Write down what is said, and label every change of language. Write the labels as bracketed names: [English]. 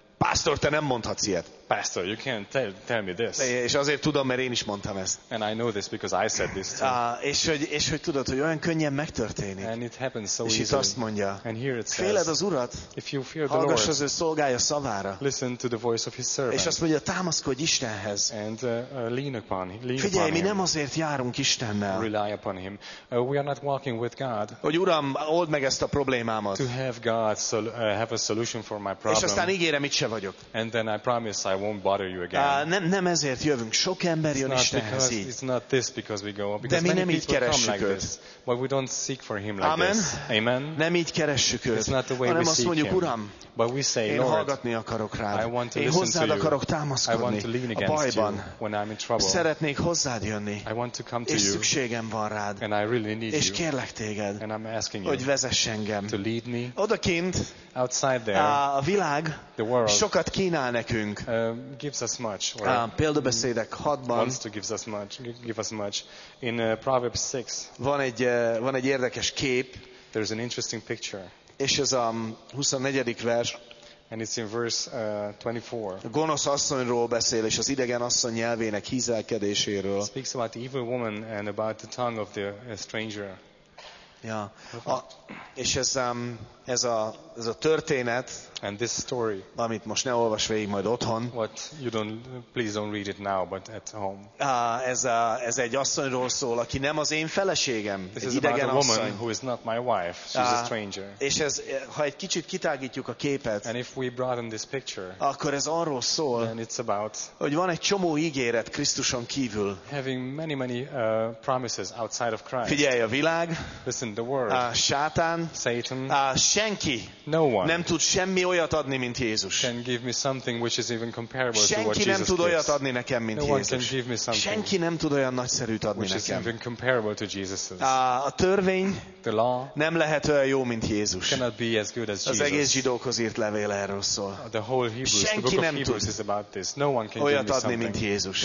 [Hungarian] Pásztor, te nem mondhatsz ilyet. [English] Pastor, you can't tell me this. [Hungarian] És azért tudom, mert én is mondtam ezt. [English] And I know this because I said this too. [Hungarian] És hogy tudod, hogy olyan könnyen megtörténik. [English] And it happens so [Hungarian] és [English] easily. [Hungarian] És itt azt mondja. [English] And here it says, [Hungarian] féled az Urat? [English] If you fear the [Hungarian] hallgass [English] Lord, [Hungarian] az ő szolgája szavára. [English] Listen to the voice of his servant. [Hungarian] És azt mondja, támaszkodj Istenhez. [English] And lean upon him. [Hungarian] Figyelj, mi nem azért járunk Istennel. [English] Rely upon him. We are not walking with God. [Hungarian] Hogy Uram, old meg ezt a problémámat. [English] To have God have a solution for my problem. [Hungarian] És aztán ígérem, itt sem se vagyok. [English] And then I promise I won't bother you again. [Hungarian] Nem ezért jövünk, sok ember jön Istenhez így. [English] It's not this because we go, because many people [Hungarian] keressük [English] come like this. But we don't seek for him like [Hungarian] Amen. [English] This. Amen. [Hungarian] Nem így keressük őt. [English] It's not the way [Hungarian] hanem [English] we seek [Hungarian] mondjuk, [English] him. [Hungarian] Uram, [English] but we say, [Hungarian] én [English] Lord, [Hungarian] hallgatni akarok rád. [English] I want to [Hungarian] én hozzád [English] to [Hungarian] akarok [English] you. [Hungarian] Támaszkodni [English] I want to lean against [Hungarian] a bajban. [English] You when I'm in trouble. [Hungarian] Szeretnék hozzád jönni. [English] I want to come to [Hungarian] és [English] you. [Hungarian] Szükségem van rád. [English] And I really need [Hungarian] és [English] you. [Hungarian] Kérlek téged, [English] and I'm asking [Hungarian] hogy vezess engem. [English] To lead me. [Hungarian] Odakint, [English] outside there, [Hungarian] a világ [English] the world, [Hungarian] sokat kínál nekünk. [English] Gives us much. [Hungarian] Példabeszédek 6-ban. [English] Wants to give us much. Give us much. In Proverbs 6. [Hungarian] Van egy érdekes kép. [English] There is an interesting picture. [Hungarian] És ez a 24. vers. [English] And it's in verse 24. [Hungarian] A gonosz asszonyról beszél, és az idegen asszony nyelvének hízelkedéséről. [English] It speaks about the evil woman and about the tongue of the stranger. [Hungarian] Ja. És ez a történet, [English] and this story, [Hungarian] amit most ne olvasd végig majd otthon. [English] What you don't, please don't read it now, but at home. [Hungarian] Ez egy asszonyról szól, aki nem az én feleségem, [English] this [Hungarian] egy idegen [English] about a [Hungarian] asszony. [English] Woman who is not my wife, she's a stranger. [Hungarian] És ez, ha egy kicsit kitágítjuk a képet, [English] and if we broaden this picture, [Hungarian] akkor ez arról szól, [English] then it's about, [Hungarian] hogy van egy csomó ígéret Krisztuson kívül. [English] Having many many promises outside of Christ. [Hungarian] Figyelj a világ, [English] listen the world, [Hungarian] Sátán, [English] Satan, [Hungarian] senki. [English] No one. [Hungarian] Nem tud semmi olyat adni, mint Jézus. [English] Can give me something which is even comparable [Hungarian] senki [English] to what Jesus [Hungarian] nem tud [English] gives. [Hungarian] Olyat adni nekem, mint [English] no [Hungarian] Jézus. [English] One can give me something [Hungarian] senki nem tud olyan nagyszerűt adni [English] which [Hungarian] nekem. [English] Is even comparable to Jesus's. [Hungarian] A törvény [English] the law [Hungarian] nem lehet olyan jó, mint Jézus. [English] Cannot be as good as Jesus. [Hungarian] Az egész zsidókhoz írt levél erről szól. [English] The whole Hebrews, [Hungarian] senki [English] the book of Hebrews is about this. No one can [Hungarian] olyat [English] give me [Hungarian] adni, mint Jézus.